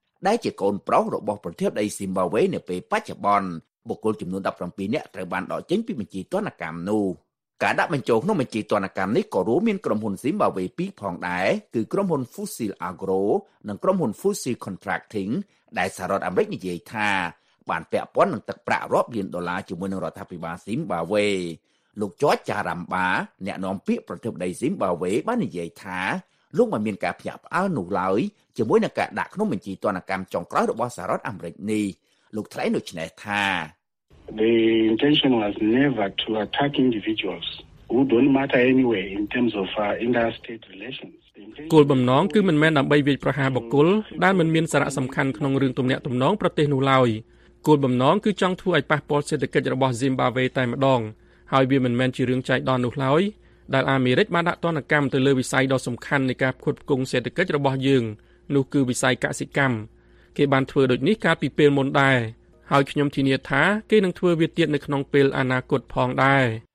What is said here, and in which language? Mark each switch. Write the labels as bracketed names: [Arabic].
[Khmer] ដែលជាកូនប្រុសរបស់ប្រធានដីស៊ីមបាវេនៅពេលបច្ចុប្បន្នបុគ្គលចំនួន17នាក់ត្រូវបានដកចេញពីបញ្ជីទណ្ឌកម្មនោះការដាក់បញ្ចូលក្នុងបញ្ជីទណ្ឌកម្មនេះក៏រួមមានក្រុមហ៊ុនស៊ីមបាវេ2ផងដែរគឺក្រុមហ៊ុន Fossil Agro និងក្រុមហ៊ុន Fossil Contracting ដែលសហរដ្ឋអាមេរិកនិយាយថាបានពាក់ព័ន្ធនឹងទឹកប្រាក់រាប់លានដុល្លារជាមួយនឹងរដ្ឋាភិបាលស៊ីមបាវេលោកចចារ៉ាំបាអ្នកនាំពាក្យប្រធានាធិបតីស៊ីមបាវេបាននិយាយថា លោកមិនមានការភ្ញាក់ផ្អើលនោះឡើយជាមួយនឹងការដាក់ក្នុងបញ្ជីទណ្ឌកម្មចុងក្រោយរបស់សហរដ្ឋអាមេរិកនេះលោកថ្លែងដូច្នេះថា [English] The intention was never to attack individuals who don't matter anyway in terms of interstate relations. [Khmer] គោលបំណងគឺមិនមែនដើម្បីវាយប្រហារបុគ្គលដែលមិនមានសារៈសំខាន់ក្នុងរឿងទំនាក់ទំនងប្រទេសនោះឡើយគោលបំណងគឺចង់ធ្វើឲ្យប៉ះពាល់សេដ្ឋកិច្ចរបស់ Zimbabwe តែម្ដងហើយវាមិនមែនជារឿងចៃដន្យនោះឡើយដែលអាមេរិកបានដាក់ទណ្ឌកម្មទៅលើវិស័យដ៏សំខាន់នៃការផ្គត់ផ្គង់សេដ្ឋកិច្ចរបស់យើងនោះគឺវិស័យកសិកម្មគេបានធ្វើដូចនេះកាលពីពេលមុនដែរហើយខ្ញុំធានាថាគេនឹងធ្វើវាទៀតនៅក្នុងពេលអនាគតផងដែរ